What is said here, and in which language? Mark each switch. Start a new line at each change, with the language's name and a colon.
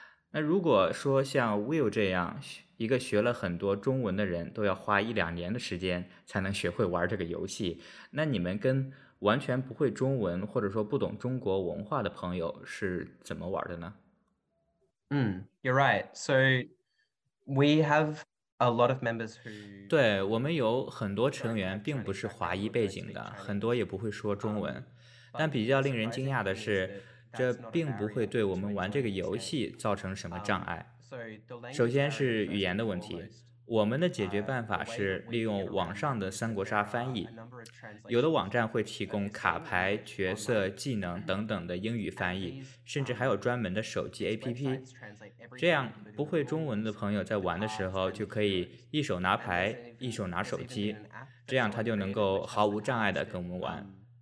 Chinese: 那如果说像 Will 这样一个学了很多中文的人都要花一两年的时间才能学会玩这个游戏，那你们跟完全不会中文或者说不懂中国文化的朋友是怎么玩的呢？
English: You're right. So we have a lot of members who.
Chinese: 对，我们有很多成员并不是华裔背景的，很多也不会说中文。但比较令人惊讶的是，这并不会对我们玩这个游戏造成什么障碍。首先是语言的问题。我们的解决办法是利用网上的三国杀翻译，有的网站会提供卡牌、角色、技能等等的英语翻译，甚至还有专门的手机 APP， 这样不会中文的朋友在玩的时候就可以一手拿牌一手拿手机，这样他就能够毫无障碍地跟我们玩。